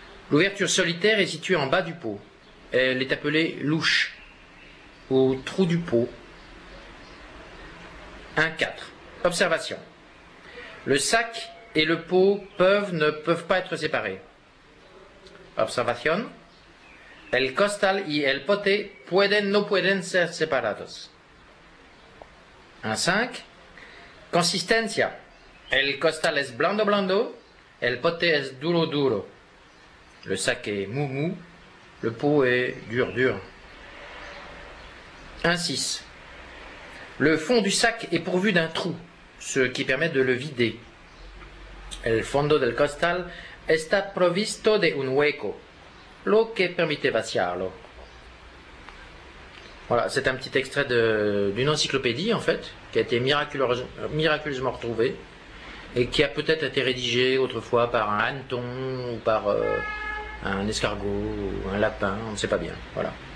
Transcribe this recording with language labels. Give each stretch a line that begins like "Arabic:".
French: L'ouverture solitaire est située en bas du pot. Elle est appelée louche, ou trou du pot. 1, 4. Observation. Le sac et le pot peuvent ne peuvent pas être séparés. Observation.
Spanish: El costal y el pote pueden no pueden ser separados. 1, 5. Consistencia. El costal es blando blando, el pote es duro duro.
French: Le sac est mou mou, le pot est dur dur. 1, 6. Le fond du sac est pourvu d'un trou, ce qui permet de le vider.
Spanish: El fondo del costal está provisto de un hueco, lo que permite vaciarlo.
French: Voilà, c'est un petit extrait d'une encyclopédie, en fait, qui a été miraculeusement retrouvée, et qui a peut-être été rédigée autrefois par un hanneton, ou par un escargot, ou un lapin, on ne sait pas bien. Voilà.